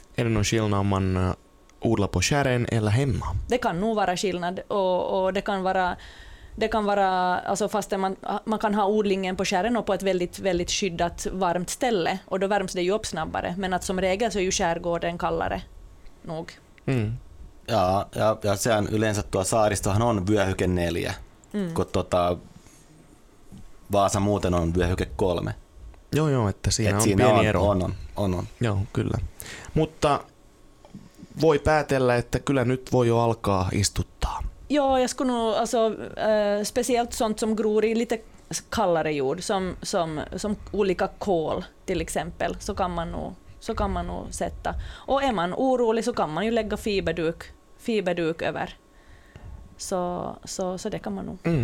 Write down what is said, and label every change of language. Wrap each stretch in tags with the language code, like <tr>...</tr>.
<sv>Är det någon skillnad om man odla på kärren eller hemma? Det kan nog vara skillnad, och det kan vara alltså, fast man kan ha odlingen på kärren och på ett väldigt väldigt skyddat varmt ställe, och då värms det ju upp snabbare, men att som regel så är ju kärrgården kallare nog. Mm.</sv> <fi>Ja sen yleensä tuo saaristohan on vyöhyke 4. Mm. Kun Vaasa muuten on vyöhyke 3. Joo, että siinä on pieni ero. On. Joo, kyllä. Mutta voi päätellä, että kyllä nyt voi jo alkaa istuttaa.</fi> <sv>Joo, jag skulle nog, alltså speciellt sånt som gror i lite kallare jord, som olika kål till exempel, så kan man nog sätta. Och är man orolig så kan man ju lägga fiberduk över. Så det kan man nog.</sv>